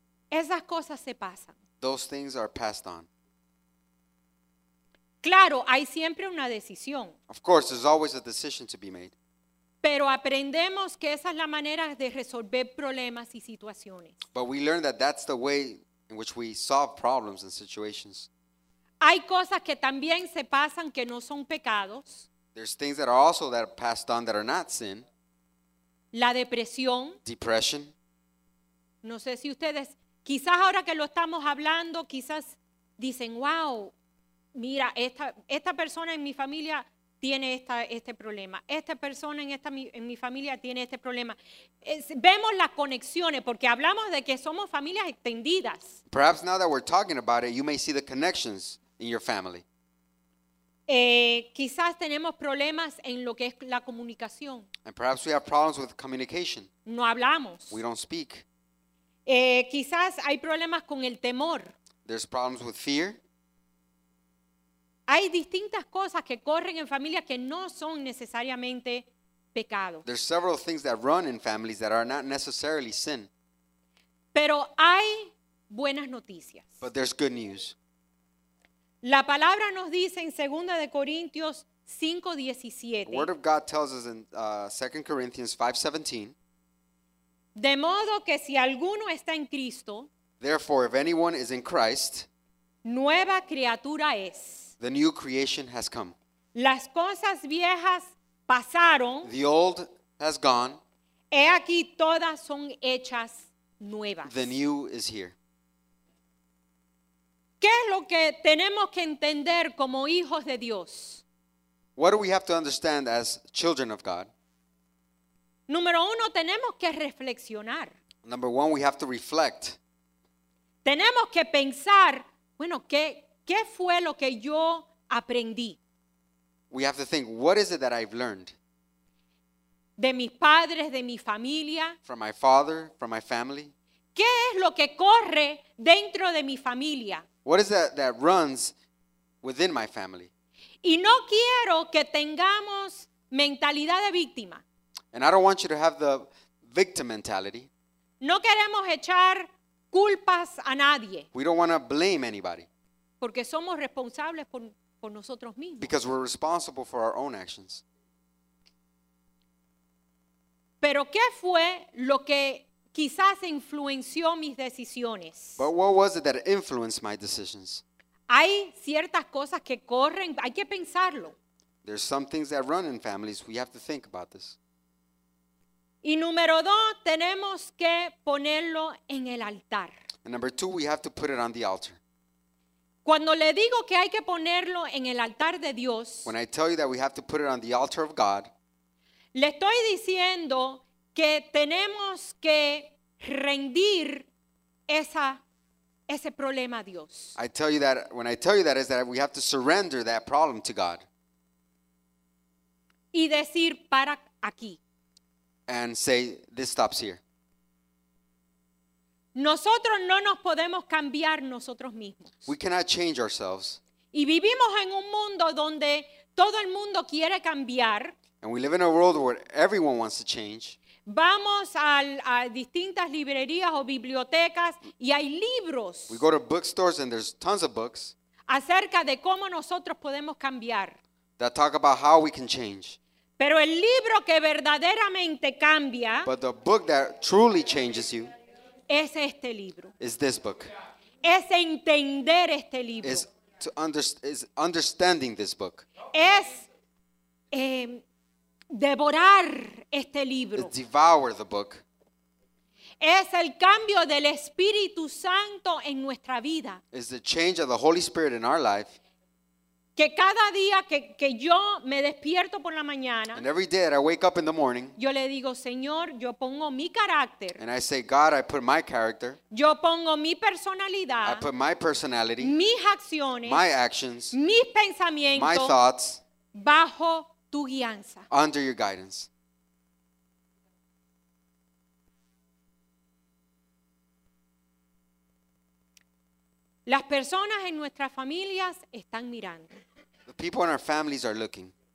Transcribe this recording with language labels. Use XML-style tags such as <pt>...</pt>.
<es>Esas cosas se pasan.</es> <en>Those things are passed on.</en> <es>Claro, hay siempre una decisión.</es> <en>Of course, there's always a decision to be made.</en> <es>Pero aprendemos que esa es la manera de resolver problemas y situaciones.</es> <en>But we learn that that's the way in which we solve problems and situations.</en> <es>Hay cosas que también se pasan que no son pecados.</es> <en>There's things that are also that are passed on that are not sin.</en> <es>La depresión.</es> <en>Depression.</en> <es>No sé si ustedes, quizás ahora que lo estamos hablando, quizás dicen, wow, mira, esta persona en mi familia tiene este problema. Esta persona en mi familia tiene este problema. Vemos las conexiones porque hablamos de que somos familias extendidas.</es> <en>Perhaps now that we're talking about it, you may see the connections in your family.</en> <es>Quizás tenemos problemas en lo que es la comunicación.</es> <en>And perhaps we have problems with communication.</en> <es>No hablamos.</es> <en>We don't speak.</en> <es>Quizás hay problemas con el temor.</es> <en>There's problems with fear.</en> <es>Hay distintas cosas que corren en familias que no son necesariamente pecado.</es> <en>There's several things that run in families that are not necessarily sin.</en> <es>Pero hay buenas noticias.</es> <en>But there's good news.</en> <es>La palabra nos dice en 2 de Corintios 5:17.</es> <en>The word of God tells us in 2 Corinthians 5:17.</en> <es>De modo que si alguno está en Cristo,</es> <en>therefore if anyone is in Christ,</en> <es>nueva criatura es.</es> <en>The new creation has come.</en> <es>Las cosas viejas pasaron.</es> <en>The old has gone.</en> <es>He aquí todas son hechas nuevas.</es> <en>The new is here.</en> <es>¿Qué es lo que tenemos que entender como hijos de Dios?</es> <en>What do we have to understand as children of God?</en> <es>Número uno, tenemos que reflexionar.</es> <en>Number one, we have to reflect.</en> <es>Tenemos que pensar, bueno, ¿qué fue lo que yo aprendí?</es> <en>We have to think, what is it that I've learned?</en> <es>De mis padres, de mi familia.</es> <en>From my father, from my family.</en> <es>¿Qué es lo que corre dentro de mi familia?</es> <en>What is that that runs within my family?</en> <es>Y no quiero que tengamos mentalidad de víctima.</es> <en>And I don't want you to have the victim mentality.</en> <es>No queremos echar culpas a nadie.</es> <en>We don't want to blame anybody.</en> <es>Porque somos responsables por nosotros mismos.</es> <en>Because we're responsible for our own actions.</en> <es>Pero ¿qué fue lo que quizás influenció mis decisiones?</es> <en>But what was it that influenced my decisions?</en> <es>Hay ciertas cosas que corren, hay que pensarlo.</es> <en>There's some things that run in families. We have to think about this.</en> <es>Y número dos, tenemos que ponerlo en el altar.</es> <en>And number two, we have to put it on the altar.</en> <es>Cuando le digo que hay que ponerlo en el altar de Dios,</es> <en>when I tell you that we have to put it on the altar of God,</en> <es>le estoy diciendo que tenemos que rendir ese problema a Dios.</es> <en>I tell you that, when I tell you that, is that we have to surrender that problem to God.</en> <es>Y decir, para aquí.</es> <en>And say, this stops here.</en> <es>Nosotros no nos podemos cambiar nosotros mismos.</es> <en>We cannot change ourselves.</en> <es>Y vivimos en un mundo donde todo el mundo quiere cambiar.</es> <en>And we live in a world where everyone wants to change.</en> <es>Vamos a distintas librerías o bibliotecas y hay libros.</es> <en>We go to bookstores and there's tons of books.</en> <es>Acerca de cómo nosotros podemos cambiar.</es> <en>That talk about how we can change.</en> <es>Pero el libro que verdaderamente cambia.</es> <en>But the book that truly changes you.</en> <es>Es este libro.</es> <en>Is this book.</en> <es>Es entender este libro.</es> <en>Is to understanding this book.</en> <es>Es devorar este libro.</es> <en>Is devour the book.</en> <es>Es el cambio del Espíritu Santo en nuestra vida.</es> <en>Is the change of the Holy Spirit in our life.</en> <es>Que cada día que yo me despierto por la mañana,</es> <en>and every day that I wake up in the morning,</en> <es>yo le digo, Señor, yo pongo mi carácter.</es> <en>And I say, God, I put my character.</en> <es>Yo pongo mi personalidad.</es> <en>I put my personality.</en> <es>Mis acciones.</es> <en>My actions.</en> <es>Mis pensamientos.</es> <en>My thoughts.</en> <es>Bajo tu guianza.</es> <en>Under your guidance.</en> <es>Las personas en nuestras familias están mirando.</es> <en>The people in our families are looking.</en>